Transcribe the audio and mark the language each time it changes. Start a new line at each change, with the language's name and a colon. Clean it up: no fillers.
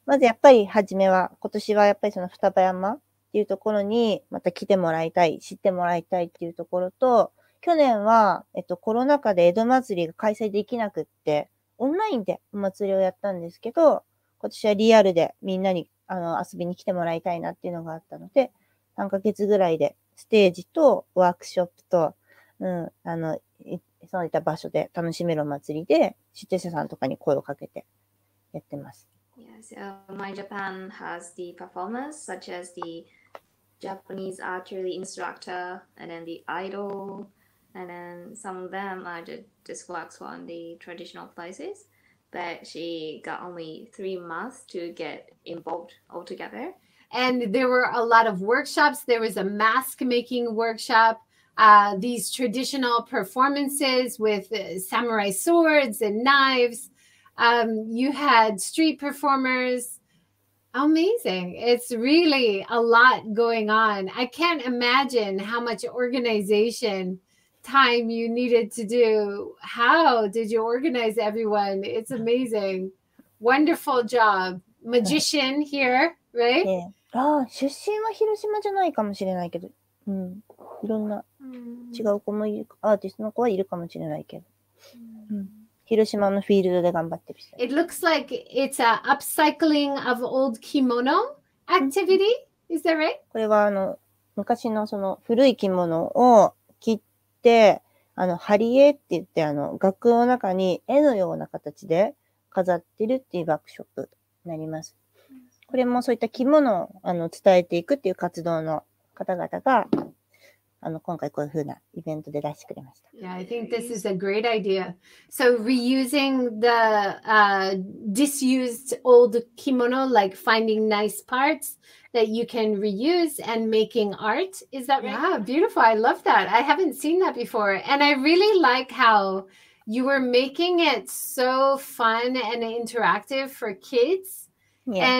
Japanese: まずやっぱり初めは、今年はやっぱりその双葉山っていうところにまた来てもらいたい、知ってもらいたいっていうところと、去年は、コロナ禍で江戸祭りが開催できなくって、オンラインでお祭りをやったんですけど、今年はリアルでみんなに遊びに来てもらいたいなっていうのがあったので、3ヶ月ぐらいでステージとワークショップと、うん、そういった場所で楽しめるお祭りで、出展者さんとかに声をかけてやってます。
English: Yeah, so MyJapan has the performance such as the Japanese archery instructor and then the idol and then some of them are just works on the traditional places, but she got only 3 months to get involved altogether. And there were a lot of workshops. There was a mask making workshop, these traditional performances with samurai swords and knives. You had street performers. Amazing. It's really a lot going on. I can't imagine how much organization time you needed to do. How did you organize everyone? It's amazing. Wonderful job. Magician here, right? Yeah.
Japanese: Ah, 出身は広島じゃないかもしれないけど、いろんな違う子もいる、アーティストの子はいるかもしれないけど。広島のフィールドで頑張ってる。
English: It looks like it's a upcycling of old kimono activity. Is that right?
Japanese: これは昔のその古い着物を切って貼り絵って言って額の中に絵のような形で飾ってるっていうワークショップになります。これもそういった着物を伝えていくっていう活動の方々が今回こういうふうなイベントで出してくれました。
English: Yeah, I think this is a great idea. So reusing the disused old kimono, like finding nice parts that you can reuse and making art. Is that right? Yeah, beautiful. I love that. I haven't seen that before. And I really like how you were making it so fun and interactive for kids. Yeah.